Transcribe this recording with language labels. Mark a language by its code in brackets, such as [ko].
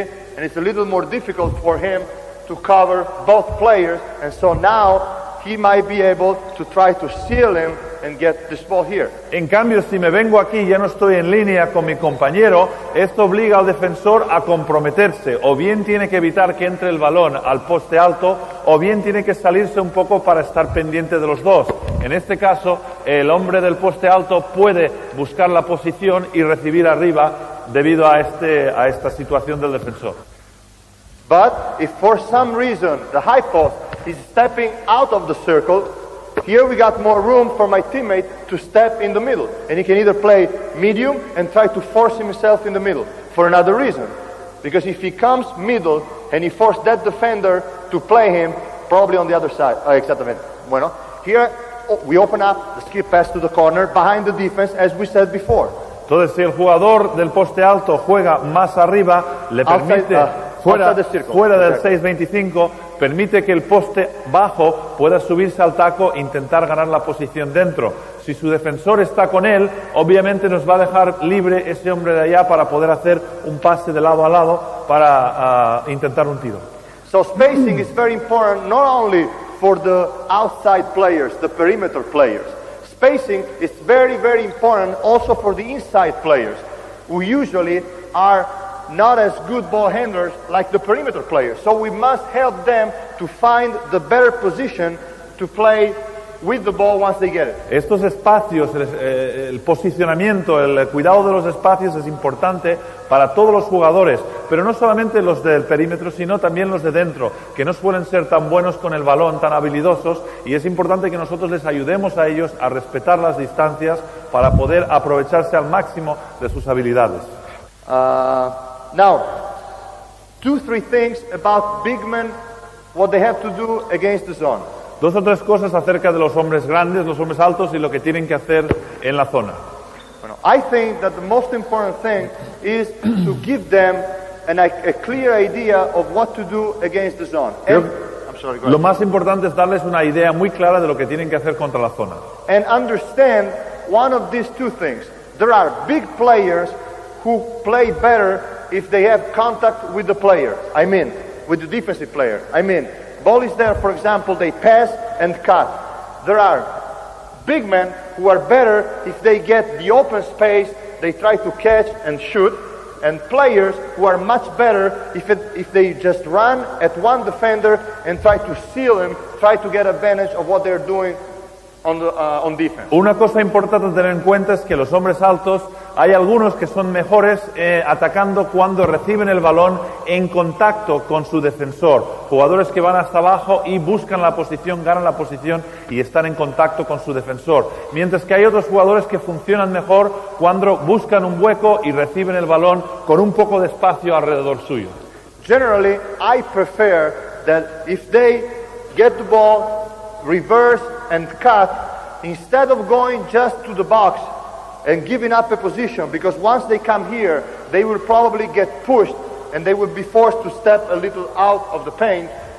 [en] And it's a little more difficult for him to cover both players, and so now he might be able to try to seal him and get this ball here. [es] En cambio, si me vengo aquí ya no estoy en línea con mi compañero, esto obliga al defensor a comprometerse. O bien tiene que evitar que entre el balón al poste alto, o bien tiene que salirse un poco para estar pendiente de los dos. En este caso, el hombre del poste alto puede buscar la posición y recibir arriba debido a este a esta situación del defensor. [en] But if for some reason the high post is stepping out of the circle, here we got more room for my teammate to step in the middle, and he can either play medium and try to force himself in the middle for another reason. Because if he comes middle and he forced that defender to play him, probably on the other side. Exactamente. Bueno, here we open up the skip pass to the corner behind the defense, as we said before. [es] Entonces, si el jugador del poste alto juega más arriba, le permite [en] outside, [es] fuera, fuera del 6-25. Permite que el poste bajo pueda subirse al taco e intentar ganar la posición dentro. Si su defensor está con él, obviamente nos va a dejar libre ese hombre de allá para poder hacer un pase de lado a lado para intentar un tiro. [en] So spacing is very important not only for the outside players, the perimeter players. Spacing is very, very important also for the inside players, who usually are not as good ball handlers like the perimeter players. So we must help them to find the better position to play with the ball once they get it. [es] Estos espacios, el posicionamiento, el cuidado de los espacios es importante para todos los jugadores, pero no solamente los del perímetro, sino también los de dentro, que no suelen ser tan buenos con el balón, tan habilidosos, y es importante que nosotros les ayudemos a ellos a respetar las distancias para poder aprovecharse al máximo de sus habilidades. [en] Now, two, three things about big men, what they have to do against the zone. [es] Dos o tres cosas acerca de los hombres grandes, los hombres altos y lo que tienen que hacer en la zona. [en] Bueno, I think that the most important thing is to give them and a clear idea of what to do against the zone. [es] Lo más importante es darles una idea muy clara de lo que tienen que hacer contra la zona. [en] And understand one of these two things. There are big players who play better if they have contact with the player. I mean, with the defensive player. I mean, ball is there, for example, they pass and cut. There are big men who are better if they get the open space, they try to catch and shoot. And players who are much better if they just run at one defender and try to seal him, try to get advantage of what they're doing on defense. [es] Una cosa importante a tener en cuenta es que los hombres altos, hay algunos que son mejores atacando cuando reciben el balón en contacto con su defensor. Jugadores que van hasta abajo y buscan la posición, ganan la posición y están en contacto con su defensor. Mientras que hay otros jugadores que funcionan mejor cuando buscan un hueco y reciben el balón con un poco de espacio alrededor suyo. [en] Generally, I prefer that if they get the ball, reverse and cut, instead of going just to the box and giving up a position, because once they come here, they will probably get pushed and they will be forced to step a little out of the paint.